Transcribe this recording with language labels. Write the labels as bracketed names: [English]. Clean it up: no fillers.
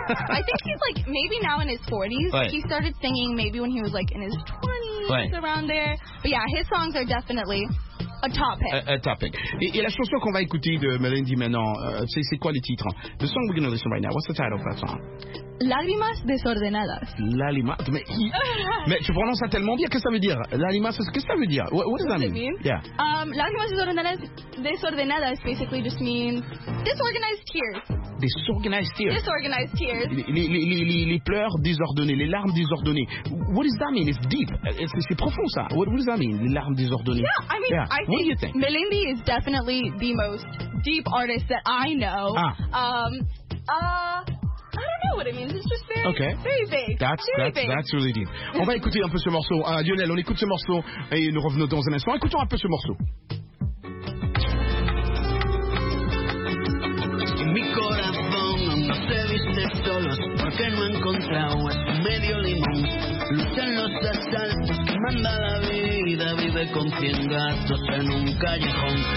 [English] I think he's like maybe now in his 40s. Right. He started singing maybe when he was like in his 20s, right. around there. But yeah, his songs are definitely a topic. A topic. [French] Et la chanson qu'on va écouter de Melendi maintenant, c'est quoi le titre? [English] The song we're going to listen right now, what's the title of that song? [Spanish] Lágrimas desordenadas. [French] Lágrimas, mais tu prononces ça tellement bien, qu'est-ce que ça veut dire? Lágrimas, qu'est-ce que ça veut dire? [English] What does that mean? Yeah. Lágrimas desordenadas basically just means disorganized tears. Disorganized tears. Disorganized tears. [French] Les pleurs désordonnées, les larmes désordonnées. [English] What does that mean? It's deep. [French] C'est profond ça. [English] What does that mean? [French] Les larmes désordonnées. [English] Yeah, I mean, yeah. I think Melendi is definitely the most deep artist that I know. Ah. I don't know what it means. It's just very, okay. very big. That's really deep. [French] On va écouter un peu ce morceau. Lionel, on écoute ce morceau et nous revenons dans un instant. Écoutons un peu ce morceau. [Spanish] Mi corazón no se viste solo porque no he encontrado medio limón. Lucha en los asaltos, manda la vida, vive con 100 gatos en un callejón.